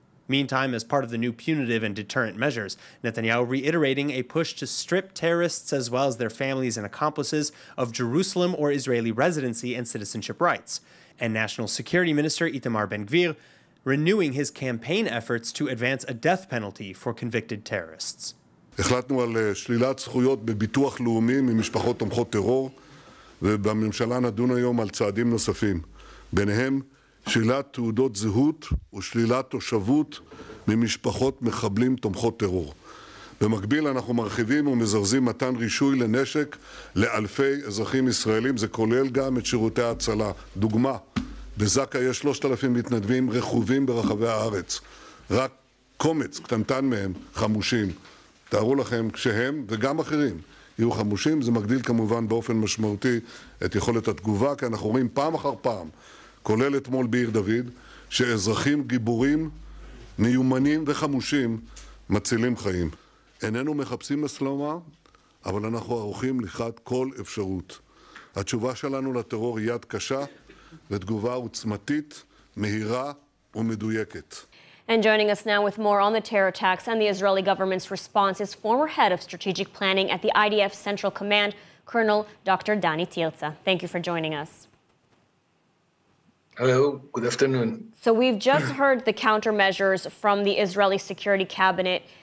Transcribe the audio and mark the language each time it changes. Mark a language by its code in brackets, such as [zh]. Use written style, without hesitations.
[en] Meantime, as part of the new punitive and deterrent measures, Netanyahu reiterating a push to strip terrorists as well as their families and accomplices of Jerusalem or Israeli residency and citizenship rights. And National Security Minister Itamar Ben-Gvir renewing his campaign efforts to advance a death penalty for convicted terrorists. [he] החלטנו על שלילת זכויות בביטוח לאומי ממשפחות תומכות טרור, ובממשלה נדון היום על צעדים נוספים, ביניהם שלילת תעודות זהות ושלילת תושבות ממשפחות מחבלים תומכות טרור. במקביל אנחנו מרחיבים ומזרזים מתן רישוי לנשק לאלפי אזרחים ישראלים, זה כולל גם את שירותי ההצלה. דוגמה, בזקה יש 3,000 מתנדבים רכובים ברחבי הארץ. רק קומץ, קטנטן מהם, חמושים. תארו לכם, כשהם וגם אחרים יהיו חמושים, זה מגדיל כמובן באופן משמעותי את יכולת התגובה, כי אנחנו רואים פעם אחר פעם, כולל אתמול בעיר דוד, שאזרחים גיבורים, מיומנים וחמושים, מצילים חיים. איננו מחפשים מסלמה, אבל אנחנו ערוכים לקראת כל אפשרות. התשובה שלנו לטרור היא יד קשה ותגובה עוצמתית, מהירה ומדויקת. [en] And joining us now with more on the terror attacks and the Israeli government's response is former head of strategic planning at the IDF Central Command, Colonel Dr. Dani Tielza. Thank you for joining us. Hello, good afternoon. So we've just heard the countermeasures from the Israeli security cabinet.